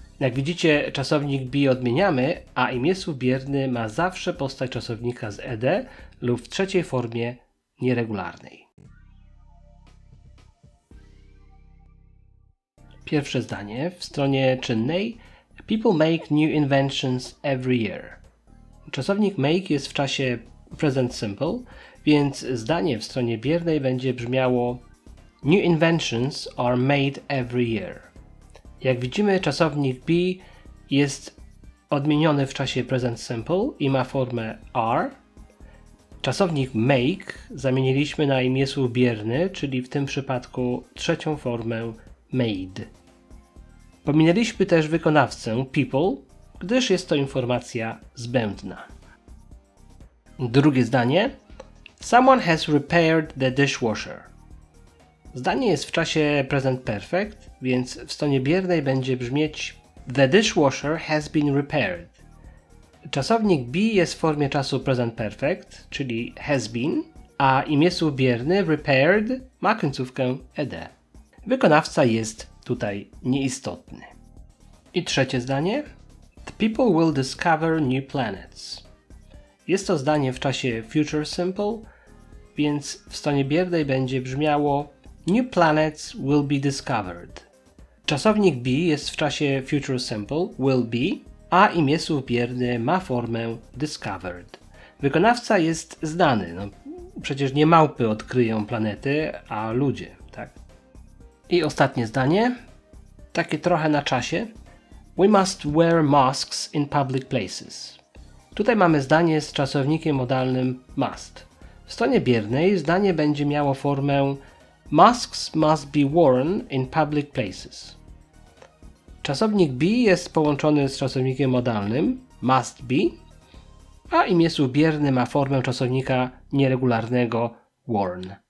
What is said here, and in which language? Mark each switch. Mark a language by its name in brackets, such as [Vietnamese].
[Polish] Jak widzicie, czasownik be odmieniamy, a imiesłów bierny ma zawsze postać czasownika z ed lub w trzeciej formie nieregularnej. Pierwsze zdanie w stronie czynnej. [English] People make new inventions every year. [Polish] Czasownik make jest w czasie present simple, więc zdanie w stronie biernej będzie brzmiało [English] New inventions are made every year. [Polish] Jak widzimy, czasownik be jest odmieniony w czasie present simple i ma formę are. Czasownik make zamieniliśmy na imiesłów bierny, czyli w tym przypadku trzecią formę made. Pominęliśmy też wykonawcę people, gdyż jest to informacja zbędna. Drugie zdanie. [English] Someone has repaired the dishwasher. [Polish] Zdanie jest w czasie present perfect, więc w stronie biernej będzie brzmieć [English] The dishwasher has been repaired. [Polish] Czasownik be jest w formie czasu present perfect, czyli has been, a imiesłów bierny repaired ma końcówkę ed. Wykonawca jest tutaj nieistotny. I trzecie zdanie. [English] The people will discover new planets. [Polish] Jest to zdanie w czasie future simple, więc w stronie biernej będzie brzmiało [English] New planets will be discovered. [Polish] Czasownik be jest w czasie future simple, will be, a imiesłów bierny ma formę discovered. Wykonawca jest znany, no przecież nie małpy odkryją planety, a ludzie, tak? I ostatnie zdanie, takie trochę na czasie. [English] We must wear masks in public places. [Polish] Tutaj mamy zdanie z czasownikiem modalnym must. W stronie biernej zdanie będzie miało formę [English] Masks must be worn in public places. [Polish] Czasownik be jest połączony z czasownikiem modalnym, must be, a imiesłów bierny ma formę czasownika nieregularnego, worn.